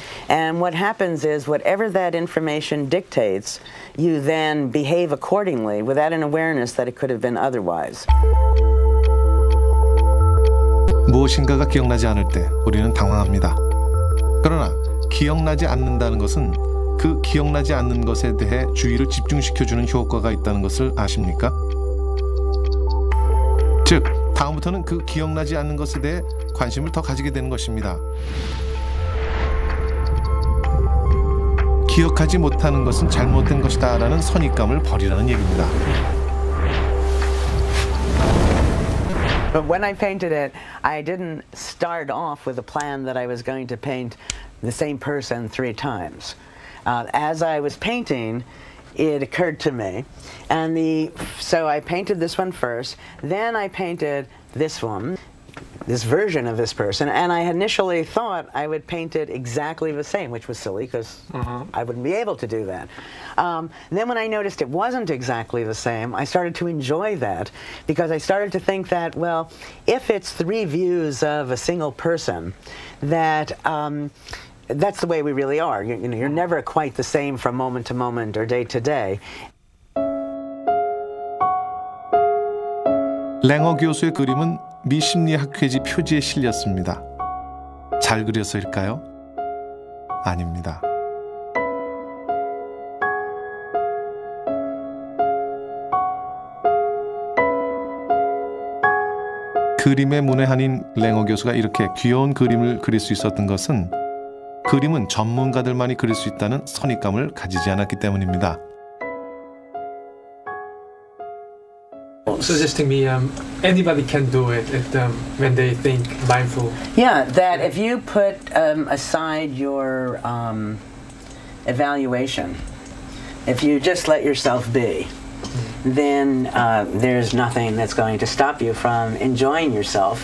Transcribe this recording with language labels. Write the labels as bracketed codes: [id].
[en] And what happens is whatever that information dictates, you then behave accordingly without an awareness that it could have been otherwise. [ko] 무엇인가가 기억나지 않을 때 우리는 당황합니다. 그러나 기억나지 않는다는 것은 그 기억나지 않는 것에 대해 주의를 집중시켜주는 효과가 있다는 것을 아십니까? 즉, 다음부터는 그 기억나지 않는 것에 대해 관심을 더 가지게 되는 것입니다. 기억하지 못하는 것은 잘못된 것이다 라는 선입감을 버리라는 얘기입니다. [en] But when I painted it, I didn't start off with a plan that I was going to paint the same person three times. As I was painting, it occurred to me, and so I painted this one first, then I painted this one, this version of this person, and I initially thought I would paint it exactly the same, which was silly, because I wouldn't be able to do that. Then when I noticed it wasn't exactly the same, I started to enjoy that, because I started to think that, well, if it's three views of a single person, that, that's the way we really are. You know, you're never quite the same from moment to moment or day to day. [ko] 랭어 교수의 그림은 미심리학회지 표지에 실렸습니다. 잘 그려서일까요? 아닙니다. 그림의 문외한인 랭어 교수가 이렇게 귀여운 그림을 그릴 수 있었던 것은 그림은 전문가들만이 그릴 수 있다는 선입감을 가지지 않았기 때문입니다. [en] suggesting me anybody can do it at, when they think mindful. Yeah, that if you put aside your evaluation, if you just let yourself be, then there's nothing that's going to stop you from enjoying yourself.